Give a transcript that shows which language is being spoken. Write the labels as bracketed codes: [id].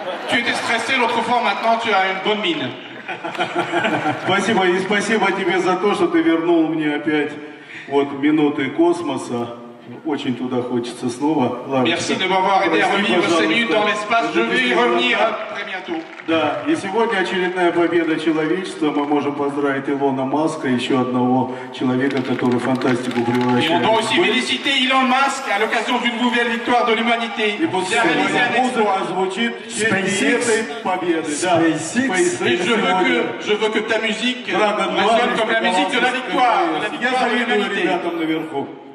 [fr] Tu étais stressé l'autre fois, maintenant tu as une bonne mine. [ru] Спасибо, и спасибо тебе за то, что ты вернул мне опять вот минуты космоса. Очень туда хочется снова. [fr] Merci de m'avoir aidé à revenir ces minutes dans l'espace. Je vais y revenir très bientôt. YouTube. [ru] Да, и сегодня очередная победа человечества. Мы можем поздравить Илона Маска, еще одного человека, который фантастику превращает. Мы можем поздравить Илона Маска [fr] à l'occasion d'une nouvelle victoire de l'humanité. [ru] И после музыка звучит этой победы. SpaceX. [fr] Je veux que ta musique résonne comme la musique de la victoire. [ru] Я завидую ребятам наверху.